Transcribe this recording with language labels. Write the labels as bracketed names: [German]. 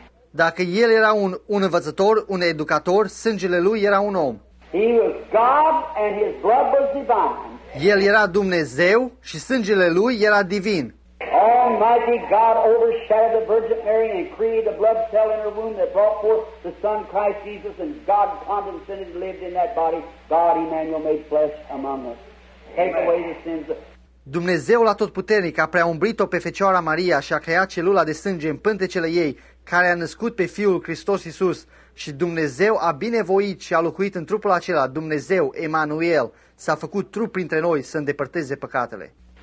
[Romanian] Dacă el era un învățător, un educator, sângele lui era un om. [English] He was God and his blood was divine. [Romanian] El era Dumnezeu și sângele lui era divin. [English] Almighty God overshadowed the Virgin Mary and created the blood cell in her womb that brought forth the Son Christ Jesus, and God condescended and lived in that body. God Emmanuel made flesh among us. Take away the sins of... [Romanian] Dumnezeul atotputernic a preaumbrit-o pe Fecioara Maria și a creat celula de sânge în pântecele ei, care a născut pe Fiul Hristos Iisus, și Dumnezeu a binevoit și a locuit în trupul acela, Dumnezeu, Emanuel, s-a făcut trup printre noi să îndepărteze păcatele.